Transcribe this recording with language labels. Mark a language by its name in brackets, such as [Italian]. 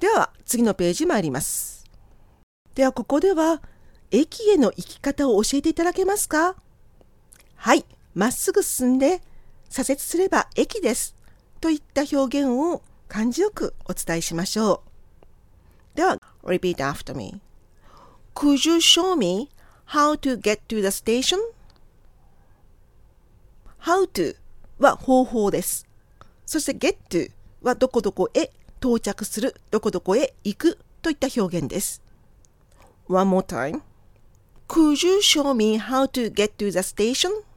[Japanese] では次のページ参ります。ではここでは駅への行き方を教えていただけますか？はい、まっすぐ進んで左折すれば駅ですといった表現を感じよくお伝えしましょう。 [English] では、repeat after me. Could you show me how to get to the station? [Japanese] How to は方法です。そして get to はどこどこへ到着する、どこどこへ行くといった表現です。 [English] One more time. Could you show me how to get to the station?